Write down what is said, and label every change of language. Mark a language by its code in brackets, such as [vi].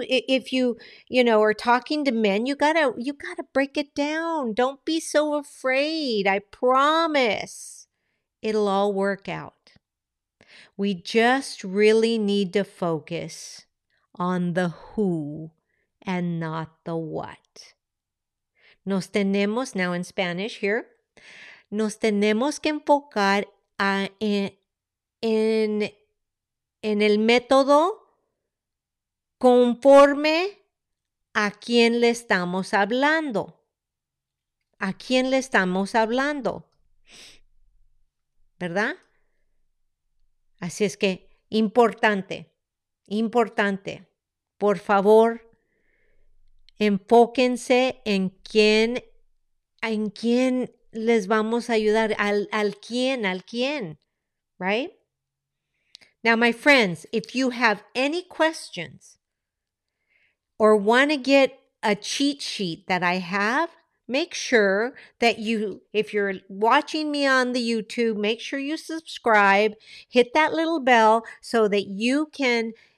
[en] If you are talking to men, you got to break it down. Don't be so afraid. I promise it'll all work out. We just really need to focus on the who and not the what. [es] Nos tenemos, now in Spanish here, nos tenemos que enfocar en el método conforme a quién le estamos hablando. ¿A quién le estamos hablando? ¿Verdad? Así es que importante. Por favor, enfóquense en quién les vamos a ayudar, al quién, right? [en] Now, my friends, if you have any questions or want to get a cheat sheet that I have, make sure that you, if you're watching me on the YouTube, make sure you subscribe, hit that little bell so that you can